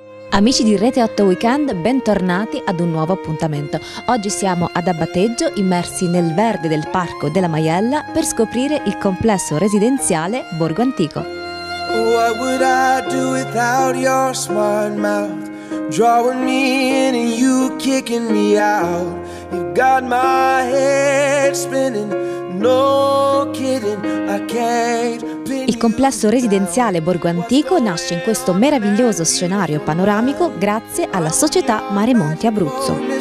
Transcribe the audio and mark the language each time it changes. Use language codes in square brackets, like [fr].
[it] Amici di Rete 8 Weekend, bentornati ad un nuovo appuntamento. Oggi siamo ad Abbateggio, immersi nel verde del Parco della Maiella, per scoprire il complesso residenziale Borgo Antico. [en] What would I do without your smart mouth? Drawing me in and you kicking me out. You got my head spinning, no kidding, I can't. [it] Il complesso residenziale Borgo Antico nasce in questo meraviglioso scenario panoramico grazie alla società Maremonti Abruzzo.